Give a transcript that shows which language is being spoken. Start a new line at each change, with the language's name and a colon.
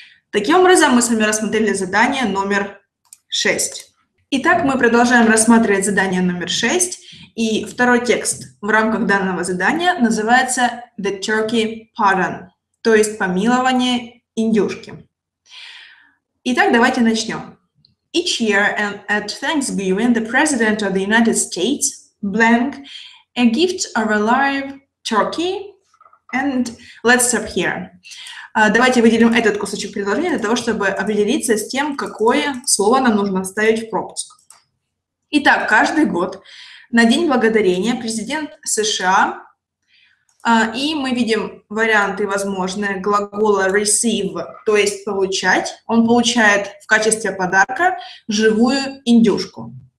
Russian: Таким образом, мы с вами рассмотрели задание номер 6. Итак, мы продолжаем рассматривать задание номер 6. И второй текст в рамках данного задания называется The Turkey Pardon, то есть помилование индюшки. Итак, давайте начнем.
English: Each year at Thanksgiving, the President of the United States blank a gift of a live turkey and let's stop here.
Russian: Давайте выделим этот кусочек предложения для того, чтобы определиться с тем, какое слово нам нужно ставить в пропуск. Итак, каждый год на День Благодарения президент США, и мы видим варианты возможные глагола receive, то есть получать, он получает в качестве подарка живую индюшку.